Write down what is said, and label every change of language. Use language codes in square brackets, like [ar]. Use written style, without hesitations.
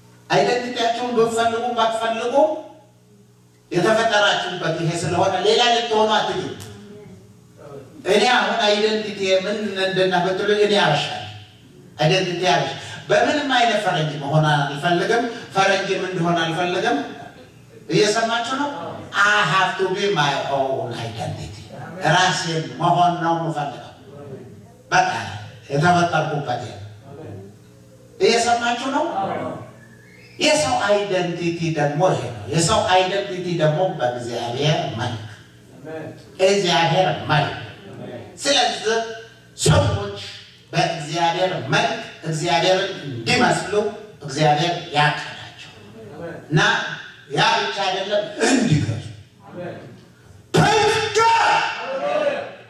[am] አይደንቲቲያችሁን ብትፈልጉ ባትፈልጉ የተፈጠራችሁበት ይሄ ስለሆነ ሌላ ልትሆኑ አትችሉም። እኔ አሁን አይደንቲቲ ምን እንደና ብትሉ እኔ አብሻለሁ። አይደንቲቲ አብሽ በምንም አይነት ፈረንጅ መሆን አልፈልግም ፈረንጅ ምን እንደሆነ አልፈልግም እየሰማችሁ ነው? [en] I have to be my own identity. [am] ራሴን መሆን ነው የምፈልገው። በቃ የተፈጠርኩበት ይሄ እየሰማችሁ ነው? የሰው አይደንቲቲ ደግሞ ይሄ ነው። የሰው አይደንቲቲ ደግሞ በእግዚአብሔር መልክ። አሜን። እግዚአብሔር መልክ። አሜን። ስለዚህ ሰዎች በእግዚአብሔር መልክ እግዚአብሔርን እንዲመስሉ እግዚአብሔር ያቀናቸው። እና ያ ብቻ አይደለም እንዲገዙ። አሜን። [en] ፕሬዝ ጋድ። [am] አሜን።